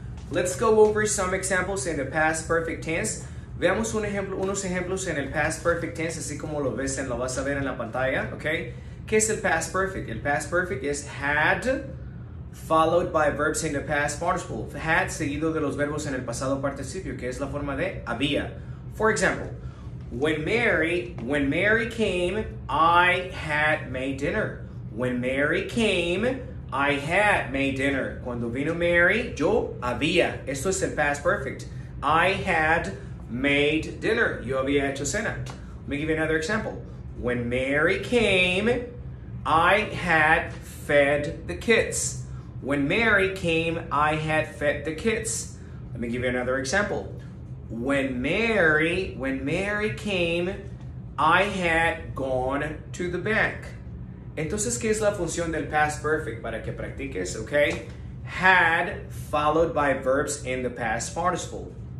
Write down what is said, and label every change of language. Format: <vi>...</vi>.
<en>Let's go over some examples in the past perfect tense.</en> <es>Veamos unos ejemplos en el past perfect tense, así como lo vas a ver en la pantalla, okay? ¿Qué es el past perfect?</es> <en>El past perfect is had followed by verbs in the past participle.</en> <es>Had seguido de los verbos en el pasado participio, que es la forma de había.</es> <en>For example, when Mary came, I had made dinner. When Mary came, I had made dinner.</en> <es>Cuando vino Mary, yo había. Esto es el past perfect.</es> <en>I had made dinner.</en> <es>Yo había hecho cena.</es> <en>Let me give you another example. When Mary came, I had fed the kids. When Mary came, I had fed the kids. Let me give you another example. When Mary came, I had gone to the bank.</en> <es>Entonces, ¿qué es la función del past perfect? Para que practiques, okay?</es> <en>Had followed by verbs in the past participle.</en>